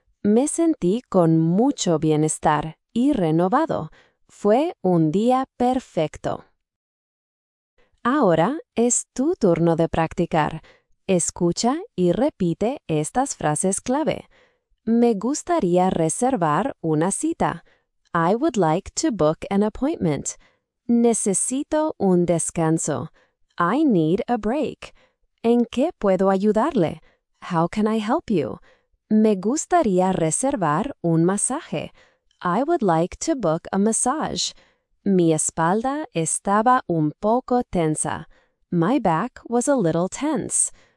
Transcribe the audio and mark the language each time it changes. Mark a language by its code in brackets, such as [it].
[es] Me sentí con mucho bienestar y renovado. Fue un día perfecto. Ahora es tu turno de practicar. Escucha y repite estas frases clave. Me gustaría reservar una cita. [en] I would like to book an appointment. [es] Necesito un descanso. [en] I need a break. [es] ¿En qué puedo ayudarle? [en] How can I help you? [es] Me gustaría reservar un masaje. [en] I would like to book a massage. [es] Mi espalda estaba un poco tensa. [en] My back was a little tense.